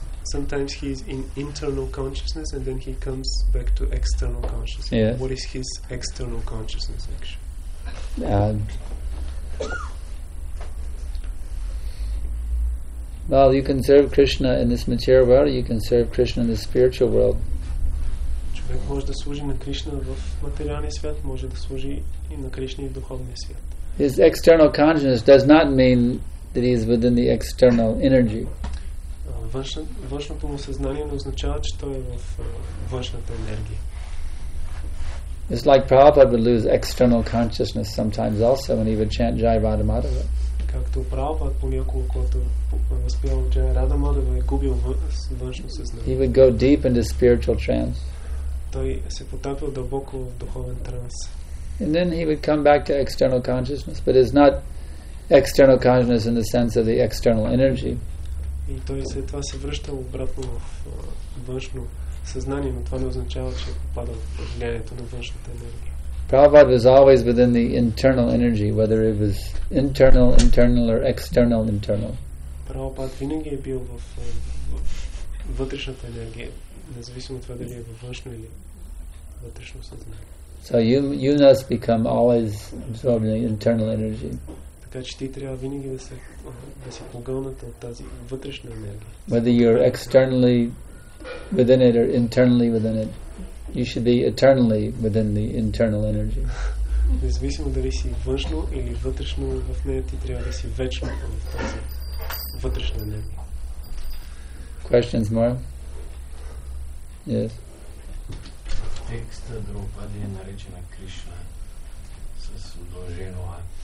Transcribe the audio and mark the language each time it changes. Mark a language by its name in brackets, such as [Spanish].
[English] sometimes he is in internal consciousness and then he comes back to external consciousness. Yes. What is his external consciousness, actually? Well, you can serve Krishna in this material world, or you can serve Krishna in the spiritual world. [Bulgarian] Човек може да служи на Кришна в материалния свят, може да служи и на Кришна в духовния свят. [English] His external consciousness does not mean that he is within the external energy. [Bulgarian] Външното му съзнание не означава, че той е в външната енергия. [English] It's like Prabhupada would lose external consciousness sometimes also when he would chant Jai Radha Madhava. [Bulgarian] Както Прабхупад понякога, когато възпевал Джай Рада Мадхава, е губил външно съзнание. [English] He would go deep into spiritual trance. [Bulgarian] Той се потапил дълбоко в духовен транс. [English] And then he would come back to external consciousness, but it's not external consciousness in the sense of the external energy. [Bulgarian] И той след това се връщал обратно в външно съзнание, но това не означава, че попада в влиянието на външната енергия. [English] Prabhupada was always within the internal energy, whether it was internal, or external. [Bulgarian] Prabhupada винаги е бил в вътрешната енергия, независимо от това дали е във външно или вътрешно съзнание. [English] So you must become always absorbed in the internal energy. [Bulgarian] Така че ти трябва винаги да си погълната от тази вътрешна енергия. [English] Whether you're externally within it or internally within it. You should be eternally within the internal energy. [Bulgarian] Независимо дали си външно или вътрешно в нея, ти трябва да си вечно в тази вътрешна енергия. [English] Questions more? Yes. [Bulgarian] Текста Драупади е наречена Кришна с удължено А.